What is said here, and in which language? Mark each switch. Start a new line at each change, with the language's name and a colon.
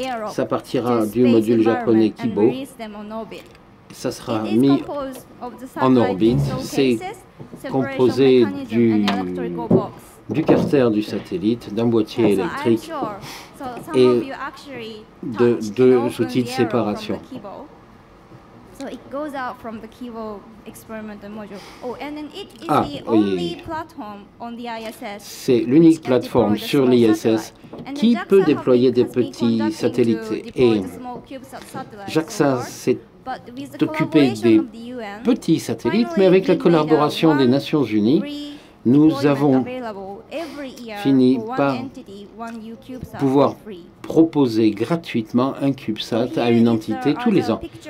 French: Ça partira du module japonais Kibo. Ça sera mis en orbite. C'est composé du carter du satellite, d'un boîtier électrique et de deux outils de séparation.
English: So it goes out from the Kibo experiment module. Oh, and then it is the only platform on the ISS.
French: C'est l'unique plateforme sur l'ISS qui peut déployer des petits satellites. Et JAXA s'est occupé des petits satellites, mais avec la collaboration des Nations Unies, nous avons fini par pouvoir proposer gratuitement un CubeSat à une entité tous les ans.